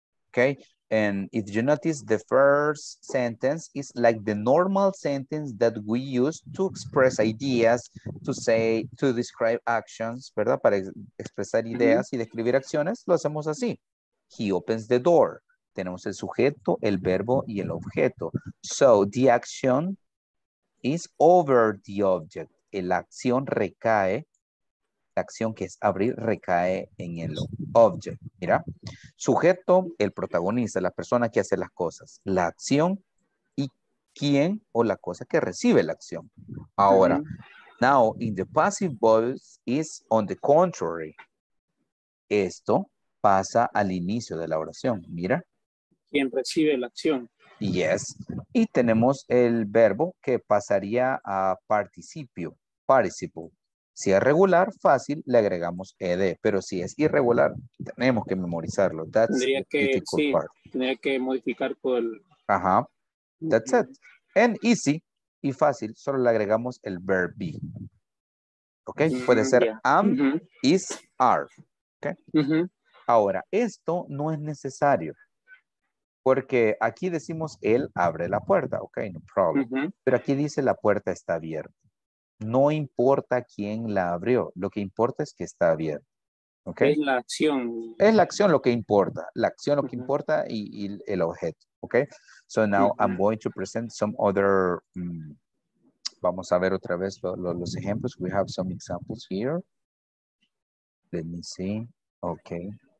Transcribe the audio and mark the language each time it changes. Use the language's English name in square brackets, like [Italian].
[English] Okay, and if you notice, the first sentence is like the normal sentence that we use to express ideas, to say, to describe actions, ¿verdad? [Spanish] Para expresar ideas y describir acciones, lo hacemos así. [English] He opens the door. [Spanish] Tenemos el sujeto, el verbo y el objeto. [English] So, the action is over the object. [Spanish] La acción que es abrir recae en el object, mira. Sujeto, el protagonista, la persona que hace las cosas. La acción y quién o la cosa que recibe la acción. [English] Ahora, now in the passive voice is on the contrary. [Spanish] Esto pasa al inicio de la oración, mira. ¿Quién recibe la acción? [English] Yes. [Spanish] Y tenemos el verbo que pasaría a participio, participle. Si es regular, fácil, le agregamos ed. Pero si es irregular, tenemos que memorizarlo. [English] That's the difficult part. [Spanish] Tendría que modificar por el... Ajá. [English] That's it. And easy [Spanish] y fácil, solo le agregamos el verb be. ¿Ok? Puede ser am, is, are. ¿Ok? Ahora, esto no es necesario. Porque aquí decimos, él abre la puerta. ¿Ok? No problem. Pero aquí dice, la puerta está abierta. No importa quién la abrió, lo que importa es que está abierta. ¿Okay? Es la acción. Es la acción lo que importa. La acción lo que importa y el objeto. ¿Okay? [English] So now I'm going to present some other. [Spanish] Vamos a ver otra vez los ejemplos. [English] We have some examples here. Let me see. Okay.